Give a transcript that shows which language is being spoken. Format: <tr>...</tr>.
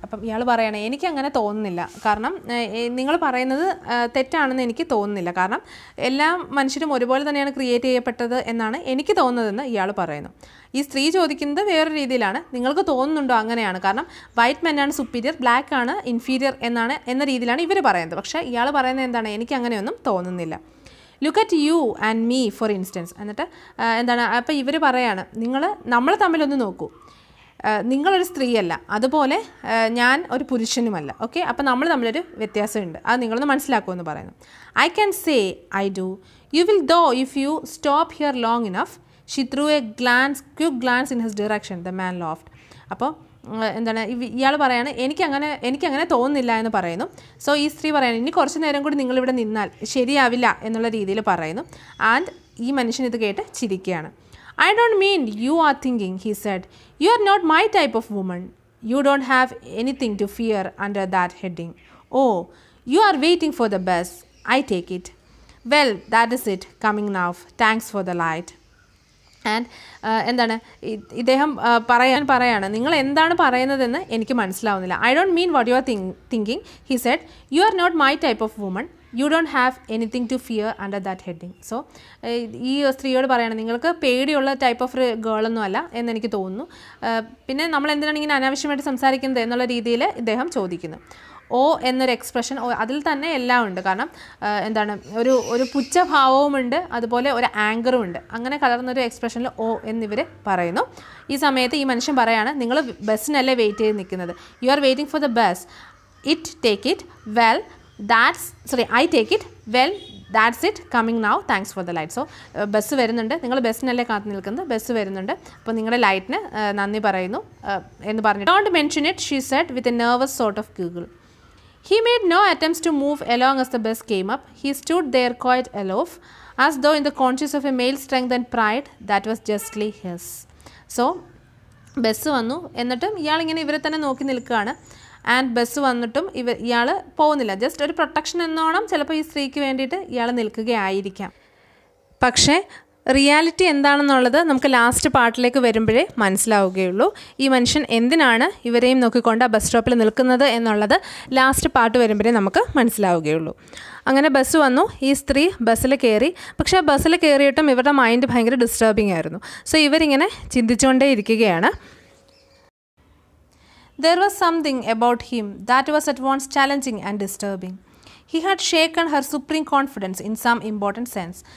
<ml>അപ്പം ഇയാൾ പറയണേ എനിക്ക് അങ്ങനെ തോന്നുന്നില്ല, കാരണം നിങ്ങൾ പറയുന്നത് തെറ്റാണെന്ന് എനിക്ക് തോന്നുന്നില്ല, കാരണം എല്ലാ മനുഷ്യരും ഒരുപോലെ തന്നെയാണ് ക്രിയേറ്റ് ചെയ്യപ്പെട്ടത് എന്നാണ് എനിക്ക് തോന്നുന്നതെന്ന് ഇയാൾ പറയുന്നു. ഈ സ്ത്രീ ചോദിക്കുന്നത് വേറൊരു രീതിയിലാണ്, നിങ്ങൾക്ക് തോന്നുന്നുണ്ടോ അങ്ങനെയാണ്, കാരണം വൈറ്റ് മെൻ ആണ് സുപ്പീരിയർ, ബ്ലാക്ക് ആണ് ഇൻഫീരിയർ എന്നാണ് എന്ന രീതിയിലാണ് ഇവർ പറയുന്നത്. പക്ഷേ ഇയാൾ പറയുന്നത് എന്താണ്, എനിക്ക് അങ്ങനെയൊന്നും തോന്നുന്നില്ല.</ml> <en>Look at you and me for instance.</en> <ml>എന്നിട്ട് എന്താണ് അപ്പോൾ ഇവർ പറയുകയാണ്, നിങ്ങൾ നമ്മൾ തമ്മിലൊന്ന് നോക്കൂ, നിങ്ങളൊരു സ്ത്രീയല്ല, അതുപോലെ ഞാൻ ഒരു പുരുഷനുമല്ല, ഓക്കെ? അപ്പോൾ നമ്മൾ തമ്മിലൊരു വ്യത്യാസമുണ്ട്, അത് നിങ്ങളൊന്ന് മനസ്സിലാക്കുമെന്ന് പറയുന്നു.</ml> <en>I can say I do you will though if you stop here long enough. She threw a glance cue glance in his direction the man laughed.</en> <ml>അപ്പോൾ എന്താണ് ഇയാൾ പറയുകയാണ്, എനിക്കങ്ങനെ തോന്നുന്നില്ല എന്ന് പറയുന്നു. സോ ഈ സ്ത്രീ പറയുന്നു, ഇനി കുറച്ച് നേരം കൂടി നിങ്ങളിവിടെ നിന്നാൽ ശരിയാവില്ല എന്നുള്ള രീതിയിൽ പറയുന്നു. ആൻഡ് ഈ മനുഷ്യൻ ഇത് കേട്ട് ചിരിക്കുകയാണ്.</ml> <en>I don't mean you are thinking, he said. You are not my type of woman. You don't have anything to fear under that heading. Oh, you are waiting for the bus. I take it. Well, that is it. Coming now. Thanks for the light.</en> <ml>And എന്താണ് ഇദ്ദേഹം പറയാണ് നിങ്ങൾ എന്താണ് പറയുന്നതെന്ന് എനിക്ക് മനസ്സിലാവുന്നില്ല.</ml> <en>I don't mean what you are thinking, he said. You are not my type of woman. You don't have anything to fear under that heading.</en> <ml>So ഈ സ്ത്രീയോട് പറയുകയാണ്, നിങ്ങൾക്ക് പേടിയുള്ള ടൈപ്പ് ഓഫ് ഗേളൊന്നും അല്ല എന്നെനിക്ക് തോന്നുന്നു. പിന്നെ നമ്മൾ എന്തിനാണ് ഇങ്ങനെ അനാവശ്യമായിട്ട് സംസാരിക്കുന്നത് എന്നുള്ള രീതിയിൽ ഇദ്ദേഹം ചോദിക്കുന്നു. ഓ എന്നൊരു എക്സ്പ്രഷൻ അതിൽ തന്നെ എല്ലാം ഉണ്ട്, കാരണം എന്താണ് ഒരു ഒരു പുച്ഛഭാവവുമുണ്ട്, അതുപോലെ ഒരു ആങ്കറും ഉണ്ട്, അങ്ങനെ കലർന്നൊരു എക്സ്പ്രഷനിൽ ഓ എന്നിവർ പറയുന്നു. ഈ സമയത്ത് ഈ മനുഷ്യൻ പറയാണ്, നിങ്ങൾ ബസ്സിനല്ലേ വെയിറ്റ് ചെയ്ത് നിൽക്കുന്നത്,</ml> <en>You are waiting for the bus, it take it, well I take it. Well, that's it. Coming now. Thanks for the light.</en> <ml>So, bus വരുന്നുണ്ട്. നിങ്ങൾ ബസ്സിനല്ലേ കാത്തു നിൽക്കുന്നത്? ബസ് വരുന്നുണ്ട്. അപ്പോൾ നിങ്ങളുടെ ലൈറ്റിന് നന്ദി പറയുന്നു എന്ന് പറഞ്ഞു.</ml> <en>Don't mention it, she said with a nervous sort of giggle. He made no attempts to move along as the bus came up. He stood there quite aloof, as though in the conscious of a male strength and pride that was justly his.</en> <ml>So, bus വന്നു. എന്നിട്ടും ഇയാൾ ഇങ്ങനെ ഇവരെ തന്നെ നോക്കി നിൽക്കുകയാണ്. And bus വന്നിട്ടും ഇവർ ഇയാൾ പോകുന്നില്ല. ജസ്റ്റ് ഒരു പ്രൊട്ടക്ഷൻ എന്നോണം ചിലപ്പോൾ ഈ സ്ത്രീക്ക് വേണ്ടിയിട്ട് ഇയാൾ നിൽക്കുകയായിരിക്കാം. പക്ഷേ റിയാലിറ്റി എന്താണെന്നുള്ളത് നമുക്ക് ലാസ്റ്റ് പാർട്ടിലേക്ക് വരുമ്പോഴേ മനസ്സിലാവുകയുള്ളൂ. ഈ മനുഷ്യൻ എന്തിനാണ് ഇവരെയും നോക്കിക്കൊണ്ട് ആ ബസ് സ്റ്റോപ്പിൽ നിൽക്കുന്നത് എന്നുള്ളത് ലാസ്റ്റ് പാർട്ട് വരുമ്പോഴേ നമുക്ക് മനസ്സിലാവുകയുള്ളൂ. അങ്ങനെ ബസ് വന്നു. ഈ സ്ത്രീ ബസ്സിൽ കയറി. പക്ഷേ ആ ബസ്സിൽ കയറിയിട്ടും ഇവരുടെ മൈൻഡ് ഭയങ്കര ഡിസ്റ്റർബിംഗ് ആയിരുന്നു. സോ ഇവരിങ്ങനെ ചിന്തിച്ചുകൊണ്ടേ ഇരിക്കുകയാണ്.</ml> <en>There was something about him that was at once challenging and disturbing. He had shaken her supreme confidence in some important sense.</en>